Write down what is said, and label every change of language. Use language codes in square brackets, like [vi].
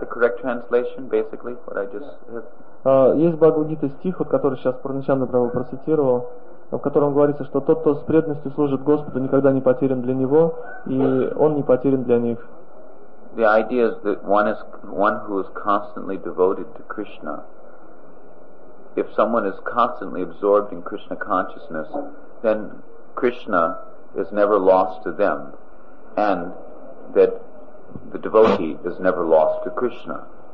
[en] The correct translation, basically, what I just said. [ru] Есть Бхагавад-гита стих, вот, который сейчас Пурначандра процитировал, в котором говорится, что тот, кто с преданностью служит Господу, никогда не потерян для него, и он не потерян для них. [en] The idea is that one who is constantly devoted to Krishna, if someone is constantly absorbed in Krishna consciousness, then Krishna is never lost to them, and that the devotee is never lost to Krishna.